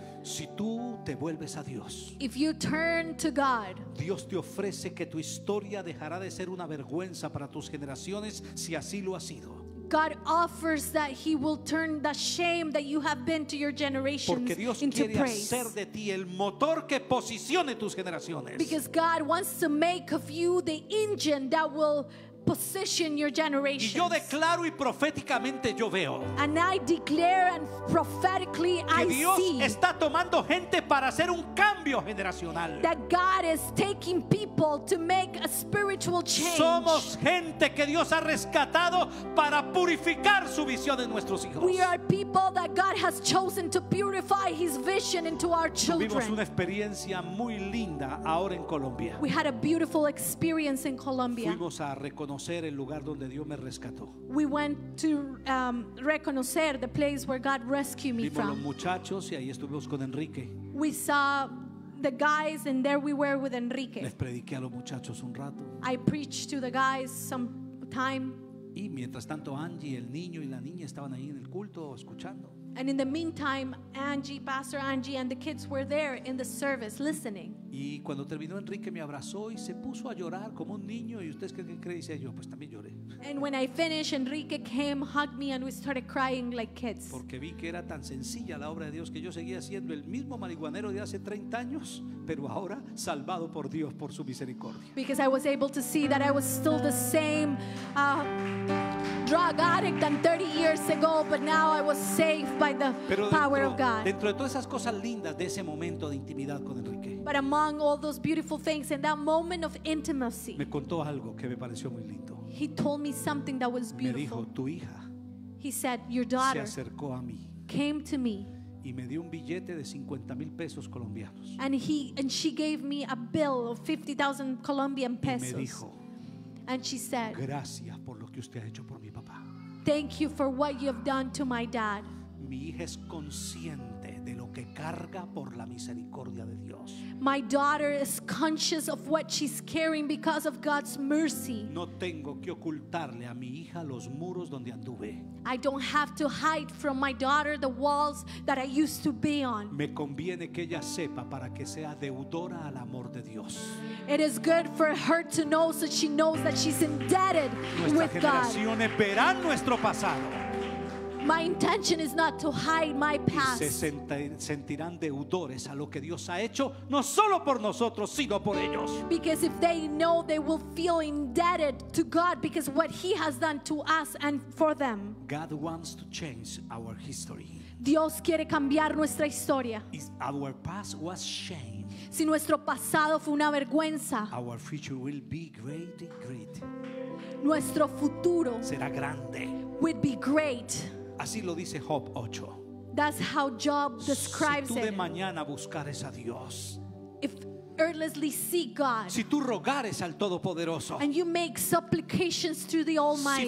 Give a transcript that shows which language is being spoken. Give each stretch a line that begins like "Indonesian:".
Spanish: Si tú te vuelves a Dios,
English: if you turn to God,
Spanish: Dios te ofrece que tu historia dejará de ser una vergüenza para tus generaciones si así lo ha sido.
English: God offers that He will turn the shame that you have been to your generations into praise.
Spanish: Porque Dios quiere hacer de ti el motor que posicione tus generaciones.
English: Because God wants to make of you the engine that will position your generations.
Spanish: Y yo declaro y proféticamente yo veo.
English: And I declare and prophetically I see.
Spanish: Que Dios está tomando gente para hacer un cambio generacional.
English: That God is taking people to make a spiritual change.
Spanish: Somos gente que Dios ha rescatado para purificar su visión en nuestros hijos.
English: We are people that God has chosen to purify His vision into our children.
Spanish: Tuvimos una experiencia muy linda ahora en Colombia.
English: We had a beautiful experience in Colombia.
Spanish: Fuimos a reconocer el lugar donde Dios me rescató.
English: We went to
Spanish: reconocer
English: the place where God rescued me
Spanish: Vimos
English: from.
Spanish: Vimos los muchachos y ahí estuvimos con Enrique.
English: We saw the guys and there we were with Enrique.
Spanish: Les prediqué a los muchachos un rato.
English: I preached to the guys some time.
Spanish: Y mientras tanto Angie, el niño y la niña estaban ahí en el culto escuchando.
English: And in the meantime, Angie, Pastor Angie, and the kids were there in the service listening.
Spanish: Y cuando terminó, Enrique me abrazó y se puso a llorar como un niño. Y ustedes qué creen, dice yo, pues también lloré.
English: And when I finished, Enrique came, hugged me, and we started crying like kids.
Spanish: Porque vi que era tan sencilla la obra de Dios, que yo seguía siendo el mismo marihuanero de hace 30 años, pero ahora salvado por Dios por su misericordia.
English: Because I was able to see that I was still the same drug addict than 30 years ago, but now I was saved by the power of God.
Spanish: Dentro de todas esas cosas lindas de ese momento de intimidad con Enrique.
English: But among all those beautiful things in that moment of intimacy.
Spanish: Me contó algo que me pareció muy lindo.
English: He told me something that was beautiful.
Spanish: Me dijo, tu hija.
English: He said, your daughter.
Spanish: Se acercó a mí.
English: Came to me.
Spanish: Y me dio un billete de 50,000 pesos colombianos.
English: And she gave me a bill of 50,000 Colombian pesos.
Spanish: Y me dijo,
English: and she said,
Spanish: gracias por lo que usted ha hecho por mi papá.
English: Thank you for what you've done to my dad.
Spanish: Mi hija es consciente de lo que carga por la misericordia de Dios.
English: My daughter is conscious of what she's carrying because of God's mercy.
Spanish: No tengo que ocultarle a mi hija los muros donde anduve.
English: I don't have to hide from my daughter the walls that I used to be on.
Spanish: Me conviene que ella sepa para que sea deudora al amor de Dios.
English: It is good for her to know so she knows that she's indebted with God.
Spanish: Nuestras generaciones verán nuestro pasado.
English: My intention is not to hide my past.
Spanish: Se sentirán deudores a lo que Dios ha hecho, no solo por nosotros, sino por ellos.
English: Because if they know, they will feel indebted to God because what He has done to us and for them. God wants to change our history.
Spanish: Dios quiere cambiar nuestra historia.
English: If our past was shame.
Spanish: Si nuestro pasado fue una vergüenza.
English: Our future will be great and great.
Spanish: Nuestro futuro será grande.
English: Would be great.
Spanish: Así lo dice Job 8.
English: That's how Job describes it.
Spanish: Si tú de mañana buscares a Dios,
English: if earnestly seek God,
Spanish: si tú rogares al Todopoderoso,
English: and you make supplications to the Almighty,